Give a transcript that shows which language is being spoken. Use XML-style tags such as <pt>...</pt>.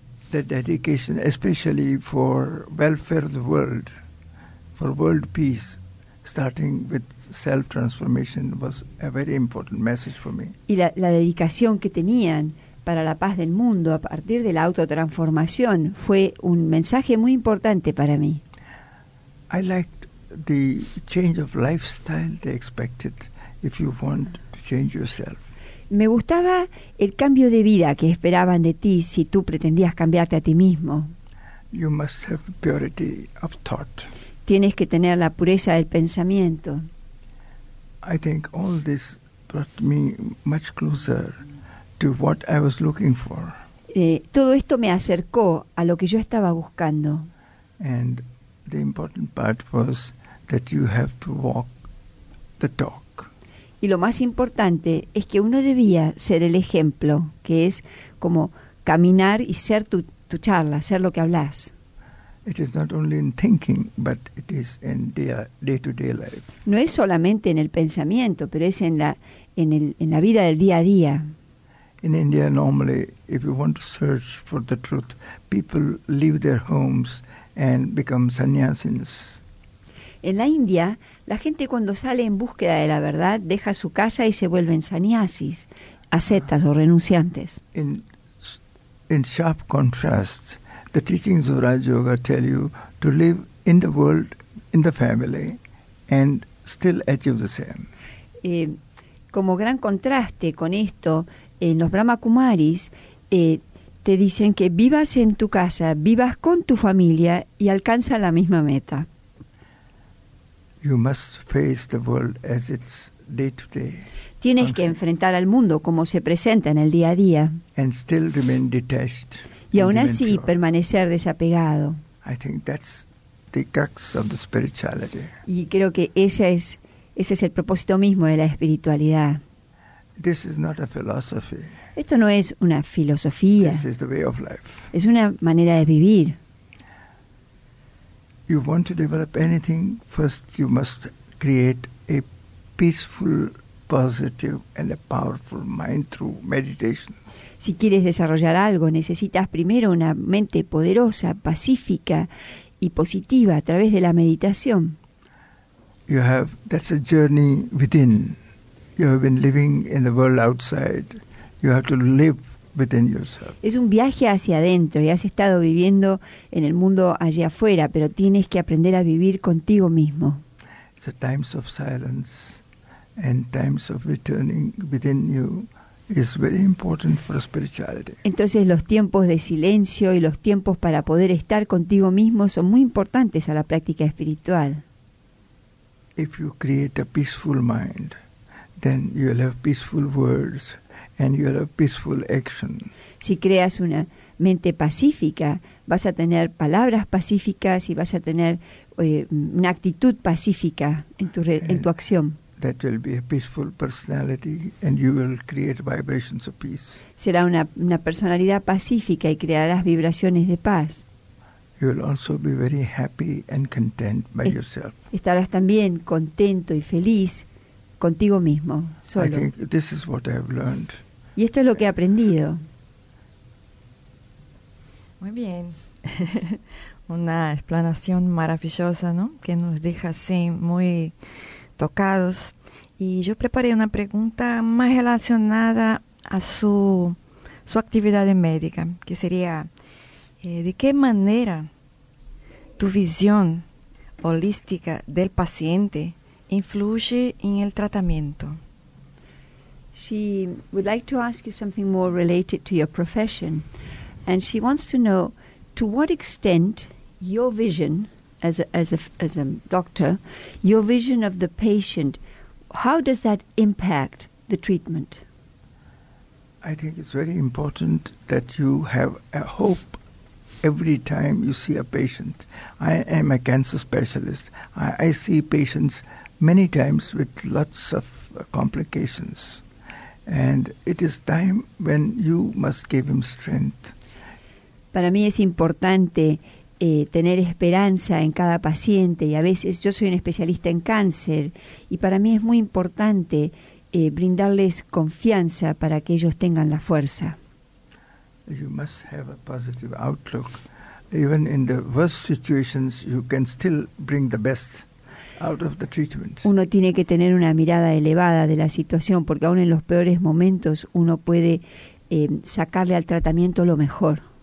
<en>The dedication, especially for welfare of the world, for world peace, starting with self-transformation, was a very important message for me.</en> <es>Y la dedicación que tenían para la paz del mundo a partir de la autotransformación fue un mensaje muy importante para mí.</es> <en>I liked the change of lifestyle they expected if you want to change yourself.</en> <es>Me gustaba el cambio de vida que esperaban de ti si tú pretendías cambiarte a ti mismo.</es> <en>You must have purity of thought.</en> <es>Tienes que tener la pureza del pensamiento.</es> <en>I think all this brought me much closer to what I was looking for.</en> <es>Todo esto me acercó a lo que yo estaba buscando.</es> <en>And the important part was that you have to walk the talk.</en> <es>Y lo más importante es que uno debía ser el ejemplo, que es como caminar y ser tu charla, ser lo que hablas.</es> <en>It is not only in thinking, but it is in day-to-day life.</en> <es>No es solamente en el pensamiento, pero es en la vida del día a día.</es> <en>In India, normally, if you want to search for the truth, people leave their homes and become sannyasins.</en> <es>En la India, la gente cuando sale en búsqueda de la verdad deja su casa y se vuelven sannyasis, ascetas o renunciantes.</es> <en>In sharp contrast, the teachings of Raja Yoga tell you to live in the world, in the family, and still achieve the same.</en> <es>Como gran contraste con esto, en los Brahma Kumaris te dicen que vivas en tu casa, vivas con tu familia y alcanza la misma meta.</es> <en>You must face the world as its day-to-day.</en> <es>Tienes que enfrentar al mundo como se presenta en el día a día.</es> <en>And still remain detached.</en> <es>Y aún así permanecer desapegado.</es> <en>I think that's the crux of the spirituality.</en> <es>Y creo que ese es el propósito mismo de la espiritualidad.</es> <en>This is not a philosophy.</en> <es>Esto no es una filosofía.</es> <en>This is the way of life.</en> <es>Es una manera de vivir.</es> <en>You want to develop anything, first you must create a peaceful, positive and a powerful mind through meditation.</en> <es>Si quieres desarrollar algo, necesitas primero una mente poderosa, pacífica y positiva a través de la meditación.</es> <en>That's a journey within. You have been living in the world outside. You have to live within yourself.</en> <es>Es un viaje hacia adentro y has estado viviendo en el mundo allá afuera, pero tienes que aprender a vivir contigo mismo.</es> <en>It's a times of silence and times of returning within you is very important for spirituality.</en> <es>Entonces los tiempos de silencio y los tiempos para poder estar contigo mismo son muy importantes a la práctica espiritual.</es> <en>If you create a peaceful mind, then you'll have peaceful words and you'll have peaceful action.</en> <es>Si creas una mente pacífica, vas a tener palabras pacíficas y vas a tener una actitud pacífica en tu acción.</es> <en>That will be a peaceful personality and you will create vibrations of peace.</en> <es>Será una personalidad pacífica y crearás vibraciones de paz.</es> <en>You will also be very happy and content by yourself.</en> <es>Estarás también contento y feliz contigo mismo, solo.</es> <en>I think this is what I have learned.</en> <es>Y esto es lo que he aprendido. Muy bien. Una explanación maravillosa, ¿no? Que nos deja así muy tocados. Y yo preparé una pregunta más relacionada a su actividad médica, que sería, ¿de qué manera tu visión holística del paciente influye en el tratamiento?</es> <en>She would like to ask you something more related to your profession. And she wants to know, to what extent your vision as a doctor, your vision of the patient, how does that impact the treatment? I think it's very important that you have a hope every time you see a patient. I am a cancer specialist. I see patients many times with lots of complications. And it is time when you must give him strength.</en> <es>Para mí es importante tener esperanza en cada paciente, y a veces yo soy un especialista en cáncer, y para mí es muy importante brindarles confianza para que ellos tengan la fuerza.</es> <en>You must have a positive outlook. Even in the worst situations, you can still bring the best out of the treatment.</en> <es>Uno tiene que tener una mirada elevada de la situación, porque aún en los peores momentos uno puede sacarle al tratamiento lo mejor.</es>